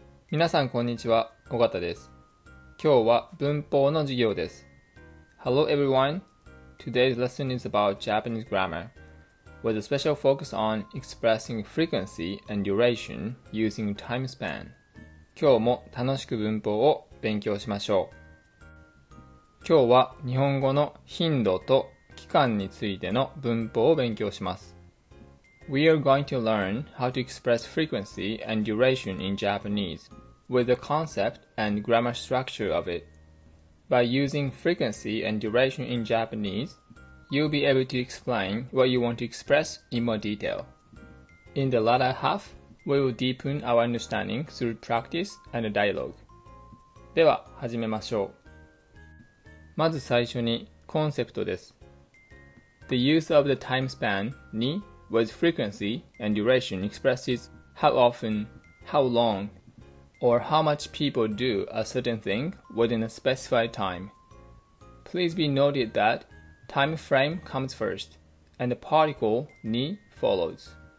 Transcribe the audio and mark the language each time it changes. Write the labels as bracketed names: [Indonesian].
[Japanese] 皆さんこんにちは、尾形です。今日は文法の授業です。 [English] Hello everyone. Today's lesson is about Japanese grammar, with a special focus on expressing frequency and duration using time span. [Japanese] 今日も楽しく文法を勉強しましょう。今日は日本語の頻度と期間についての文法を勉強します。 [English] We are going to learn how to express frequency and duration in Japanese with the concept and grammar structure of it. By using frequency and duration in Japanese, you'll be able to explain what you want to express in more detail. In the latter half, we will deepen our understanding through practice and dialogue. [Japanese] では始めましょう。まず最初にコンセプトです。 [English] The use of the time span にWith frequency and duration expresses how often, how long, or how much people do a certain thing within a specified time. Please be noted that time frame comes first, and the particle ni follows.